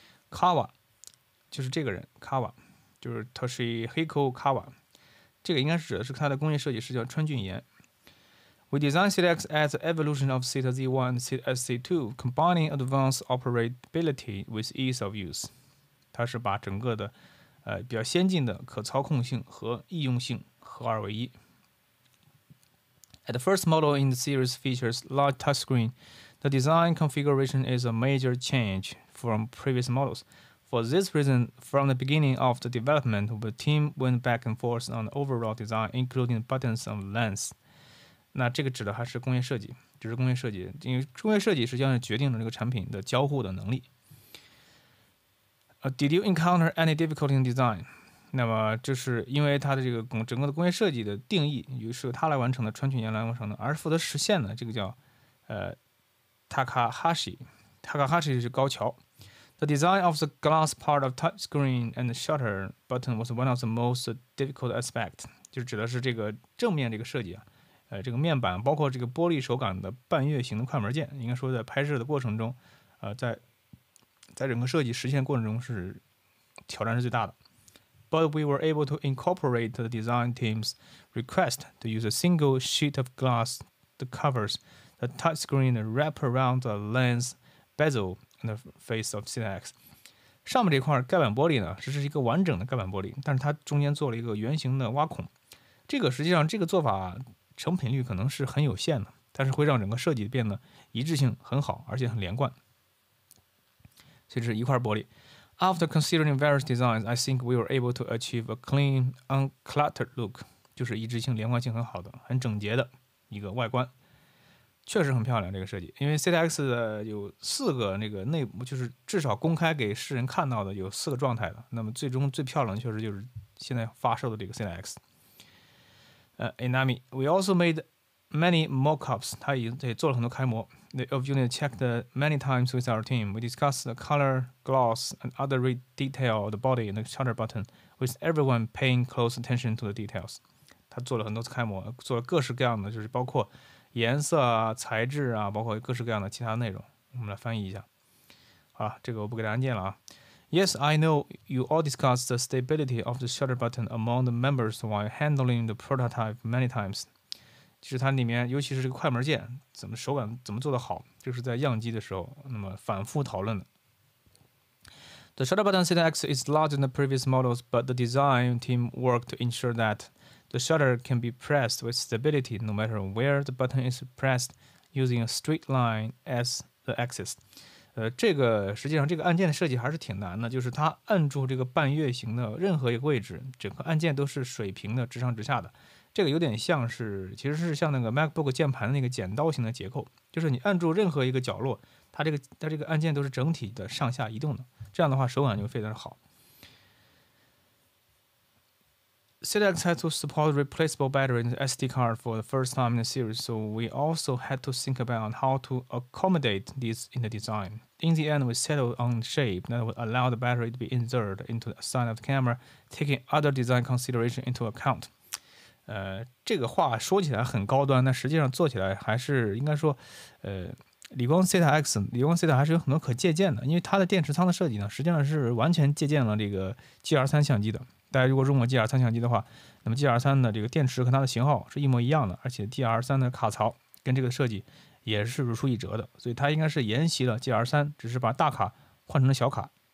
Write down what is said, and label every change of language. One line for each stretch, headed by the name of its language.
Chinese: Kawa 就是这个人， Kawa 就是 Toshihiko Kawa， 这个应该是指的是他的工业设计师叫川俊彦。
English: We design THETA X as an evolution of THETA Z1 and THETA SC2， combining advanced operability with ease of use。
Chinese: 他是把整个的比较先进的可操控性和易用性合二为一。
English: At the first model in the series features large touchscreen, the design configuration is a major change from previous models. For this reason, from the beginning of the development, the team went back and forth on the overall design, including buttons and lengths.
Chinese: 那这个指的还是工业设计，就是工业设计，因为工业设计实际上是决定了这个产品的交互的能力。
English: Did you encounter any difficulty in design?
Chinese: 那么就是因为它的这个整个的工业设计的定义，于是他来完成的，川俊彦来完成的，而负责实现的这个叫Takahashi 是高桥。
English: The design of the glass part of touchscreen and shutter button was one of the most difficult aspects，
Chinese: 就指的是这个正面这个设计啊，这个面板包括这个玻璃手感的半月形的快门键，应该说在拍摄的过程中，在整个设计实现过程中是挑战是最大的。
English: But we were able to incorporate the design team's request to use a single sheet of glass to cover the touchscreen and wrap around the lens bezel and the face of THETA X。
Chinese: 上面这块盖板玻璃呢，这是一个完整的盖板玻璃，但是它中间做了一个圆形的挖孔，这个实际上这个做法成品率可能是很有限的，但是会让整个设计变得一致性很好，而且很连贯，所以是一块玻璃。
English: After considering various designs, I think we were able to achieve a clean, uncluttered look，
Chinese: 就是一致性连贯性很好的很整洁的一个外观，确实很漂亮这个设计。因为 THETA X 有四个那个内部，就是至少公开给世人看到的有四个状态的，那么最终最漂亮的确实就是现在发售的这个 THETA X。
English: Inami We also made many mockups，
Chinese: 他已经做了很多开模。
English: The unit checked many times with our team. We discussed the color, gloss, and other detail of the body and the shutter button, with everyone paying close attention to the details.
Chinese: 他做了很多次开模，做了各式各样的，就是包括颜色啊、材质啊，包括各式各样的其他内容。我们来翻译一下。好，这个我不给大家念了啊。
English: Yes, I know you all discussed the stability of the shutter button among the members while handling the prototype many times.
Chinese: 其实它里面尤其是这个快门键怎么手感怎么做得好，就是在样机的时候那么反复讨论的。
English: The shutter button THETA X is larger than the previous models, but the design team worked to ensure that the shutter can be pressed with stability no matter where the button is pressed, using a straight line as the axis。
Chinese: 这个实际上这个按键的设计还是挺难的，就是它按住这个半月形的任何一个位置，整个按键都是水平的直上直下的，这个有点像是，其实是像那个 MacBook 键盘的那个剪刀型的结构，就是你按住任何一个角落，它这个按键都是整体的上下移动的，这样的话手感就非常好。
English: THETA X had to support replaceable battery in the SD card for the first time in the series, so we also had to think about how to accommodate this in the design. In the end, we settled on shape that would allow the battery to be inserted into the side of the camera, taking other design consideration into account.
Chinese: 这个话说起来很高端，但实际上做起来还是应该说，理光 THETA 还是有很多可借鉴的，因为它的电池仓的设计呢，实际上是完全借鉴了这个 GR3 相机的。大家如果用过 GR3 相机的话，那么 GR3 的这个电池和它的型号是一模一样的，而且 GR3 的卡槽跟这个设计也是如出一辙的，所以它应该是沿袭了 GR3， 只是把大卡换成了小卡。